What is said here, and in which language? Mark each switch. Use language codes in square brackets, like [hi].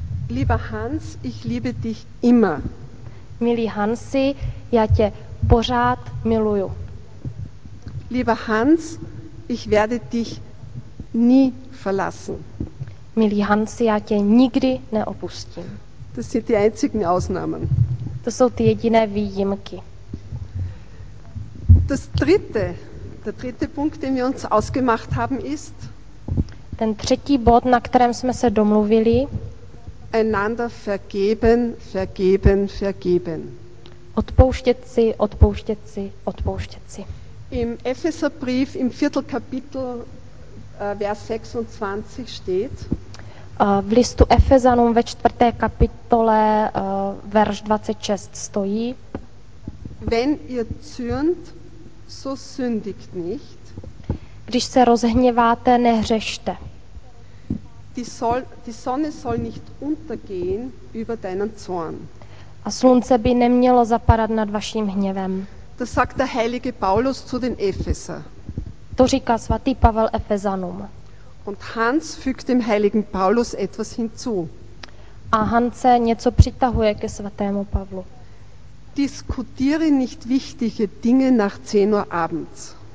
[de] Lieber Hans, ich liebe dich immer. [cs] Milý Hansi, já tě pořád miluju. [de] Lieber Hans, ich werde dich nie verlassen. [cs] Milý Hansi, já tě nikdy neopustím. [de] Das sind die einzigen Ausnahmen. [cs] To jsou ty jediné výjimky. [de] Das dritte, der dritte Punkt, den wir uns ausgemacht haben, ist [cs] ten třetí bod, na kterém jsme se domluvili, [de] einander vergeben, vergeben, vergeben. [cs] Odpouštět si, odpouštět si, odpouštět si. [de] Im Epheserbrief im viertel Kapitel Vers 26 steht. [cs] V listu Efezanům ve čtvrté kapitole verš 26 stojí. [de] Wenn ihr zürnt, so sündigt nicht. [cs] Když se rozhněváte, nehřešte. [de] die Sonne soll nicht untergehen über deinen Zorn. [cs] A slunce by nemělo zapadat nad vaším hněvem. [de] To sagt der heilige Paulus zu den Epheser. [cs] To říká svatý Pavel Efezanům. [de] Und Hans fügt dem heiligen Paulus etwas hinzu. [cs] A Hans něco přitahuje ke svatému Pavlu. [de] Diskutiere nicht wichtige Dinge nach 10 Uhr abends.